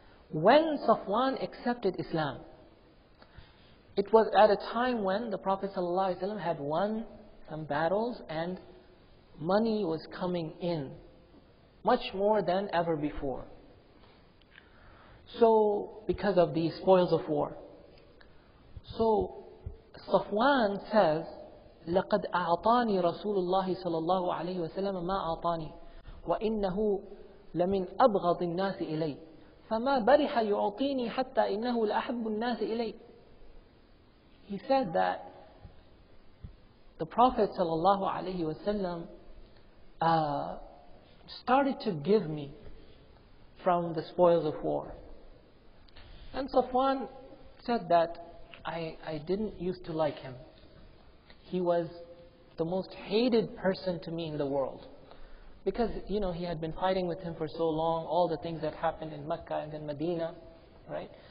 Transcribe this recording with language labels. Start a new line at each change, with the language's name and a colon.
English: When Safwan accepted Islam, it was at a time when the Prophet ﷺ had won some battles and money was coming in much more than ever before. So because of the spoils of war.
Arabic: So Safwan says, لَقَدْ أَعْطَانِي رَسُولُ اللَّهِ صَلَى اللَّهُ عَلَيْهِ وَسَلَمَ مَا أَعْطَانِي وَإِنَّهُ لَمِنْ أَبْغَضِ النَّاسِ إِلَيْهِ فَمَا بَرِحَ يُعْطِينِي حَتَّى إِنَّهُ لَأَحَبُّ النَّاسِ إِلَيْهِ.
English: He said that the Prophet صلى الله عليه وسلم started to give me from the spoils of war. And Safwan said that I didn't used to like him. He was the most hated person to me in the world. Because, you know, he had been fighting with him for so long, all the things that happened in Mecca and in Medina, right?